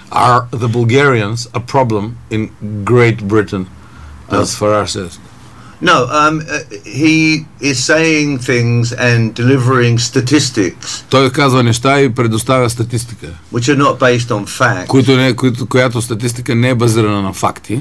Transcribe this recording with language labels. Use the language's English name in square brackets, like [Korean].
[English] Are the Bulgarians a problem in Great Britain, as Farage says? No, he is saying things and delivering statistics. [Bulgarian] Той казва неща и предоставя статистика. [English] Which are not based on facts. [Bulgarian] Която статистика не е базирана на факти.